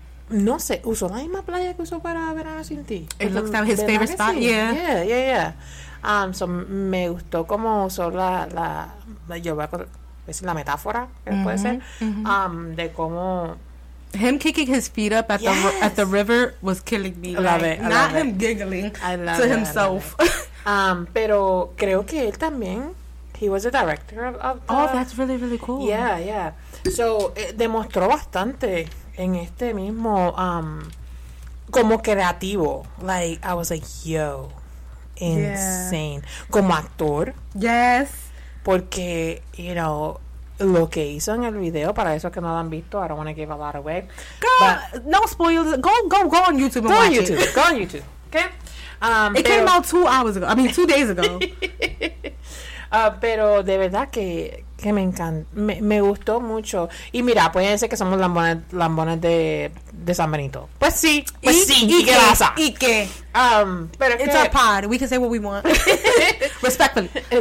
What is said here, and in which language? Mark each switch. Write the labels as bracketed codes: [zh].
[es] No sé, usó la misma playa que usó para Verano sin ti. [en] It looks like his favorite spot, sí. Yeah. [es] So, me gustó cómo usó la metáfora, mm-hmm, puede ser, mm-hmm, de cómo... [en] Him kicking his feet up at the river was killing me. I love it. Not him giggling to himself. [es] pero creo que él también, [en] he was a director of the... Oh, that's really, really cool. [es] Yeah. So, demostró bastante... en este mismo como creativo, [en] like I was like, yo, insane, [es] yeah, como actor, [en] yes, [es] porque you know lo que hizo en el video, para esos que no lo han visto, [en] I don't want to give a lot away, no spoilers, go on YouTube, go on YouTube, okay, it came out 2 hours ago, I mean 2 days ago, [es] pero de verdad que me encanta, me gustó mucho. Y mira, pueden ser que somos lambones de San Benito. Pues sí, ¿Y qué? Pero [en] it's our pod, we can say what we want. Respectfully.